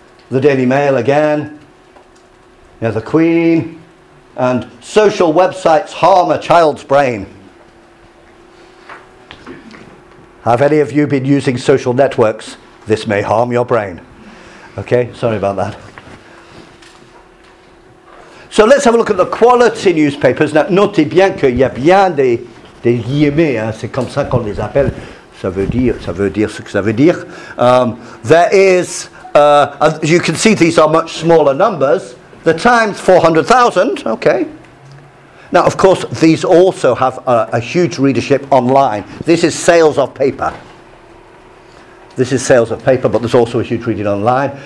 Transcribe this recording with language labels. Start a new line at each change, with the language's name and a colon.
English: The Daily Mail again, yeah, the Queen, and social websites harm a child's brain. Have any of you been using social networks? This may harm your brain. Okay, sorry about that. So let's have a look at the quality newspapers.
French: Now, notez bien que il y a bien des guillemets. Hein. C'est comme ça qu'on les appelle. Ça veut dire ce que ça veut dire.
English: There is, as you can see, these are much smaller numbers. The Times, 400,000. Okay. Now, of course, these also have a huge readership online. This is sales of paper. This is sales of paper, but there's also a huge reading online.